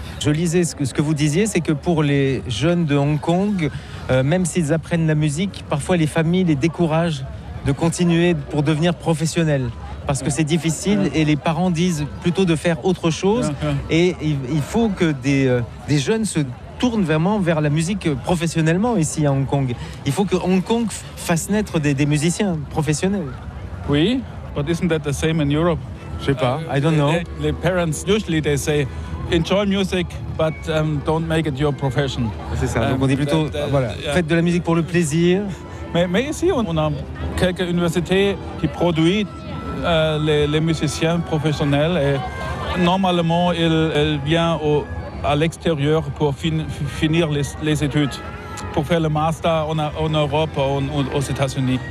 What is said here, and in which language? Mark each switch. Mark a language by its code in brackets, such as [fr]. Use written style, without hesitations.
[fr] Je lisais ce que vous disiez, c'est que pour les jeunes de Hong Kong, même s'ils apprennent la musique, parfois les familles les découragent de continuer pour devenir professionnels. Parce que c'est difficile et les parents disent plutôt de faire autre chose. Et il faut que des jeunes se tournent vraiment vers la musique professionnellement ici à Hong Kong. Il faut que Hong Kong fasse naître des musiciens professionnels. [en] Oui, but isn't that the same in Europe? [fr] Je sais pas, [en] I don't know. [fr] Les parents, [en] usually they say, enjoy music, but don't make it your profession. [fr] C'est ça, donc on dit plutôt, voilà, faites de la musique pour le plaisir. Mais ici, on a quelques universités qui produisent les musiciens professionnels et normalement ils viennent à l'extérieur pour finir les études, pour faire le master en Europe ou aux États-Unis.